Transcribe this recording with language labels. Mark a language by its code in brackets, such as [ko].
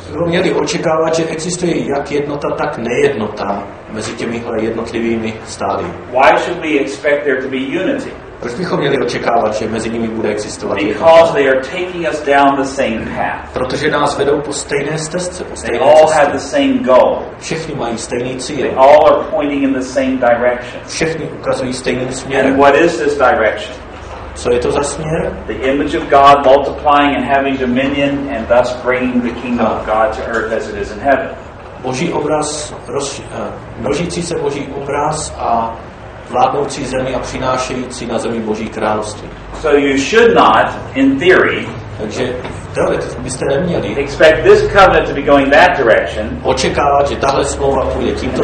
[cs] Bychom měli očekávat, že existuje jak jednota, tak nejednota mezi těmihle jednotlivými stády. [en] Why should we expect there to be unity? [cs] Proč bychom měli očekávat, že mezi nimi bude existovat jednota? [en] Because they are taking us down the same path. [cs] Protože nás vedou po stejné stezce, po stejné cestě. [en] All have the same goal. [cs] Všichni mají stejný cíl. [en] They all are pointing in the same direction. [cs] Všichni ukazují stejným směrem. [en] And what is this direction? [cs] Co je to za směr? [en] The image of God multiplying and having dominion and thus bringing the kingdom of God to earth as it is in heaven. [cs] Boží obraz, množící se Boží obraz a vládnoucí zemi a přinášející na zemi Boží království. [en] So you should not, in theory, [cs] takže teoreticky byste neměli [en] expect this covenant to be going that direction, [cs] očekávat, že tahle smlouva půjde tímto